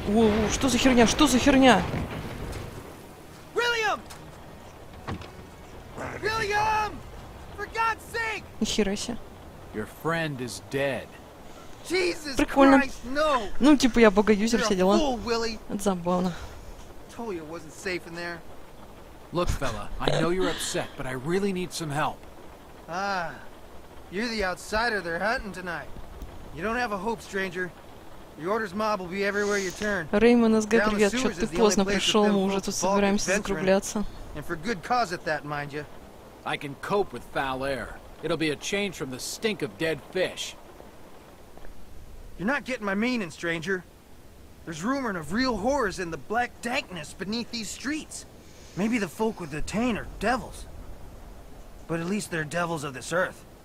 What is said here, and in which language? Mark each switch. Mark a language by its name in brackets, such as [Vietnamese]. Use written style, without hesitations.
[Russian] Воу, что за херня, что за херня? Уильям! [English] Уильям! For God's sake! [Russian] Нихера себе. [English] Your friend is dead. Jesus [Russian] прикольно. [English] Christ, no. [Russian] Ну, типа, я бога-юзер, все дела. [English] Fool, [Russian] это забавно. [English] Told you it wasn't safe in there. Look, fella, I know you're upset, but I really need some help. Ah, you're the outsider they're hunting tonight. You don't have a hope, stranger. The Order's mob will be everywhere you turn. [Russian] Реймон, СГ, привет, чё ты поздно пришёл, мы уже тут собираемся закругляться. [English] And for good cause at that, mind you. I can cope with foul air. It'll be a change from the stink of dead fish. You're not getting my meaning, stranger. There's rumor of real horrors in the black dankness beneath these streets. Maybe the folk with the taint are devils. But at least they're devils of this earth.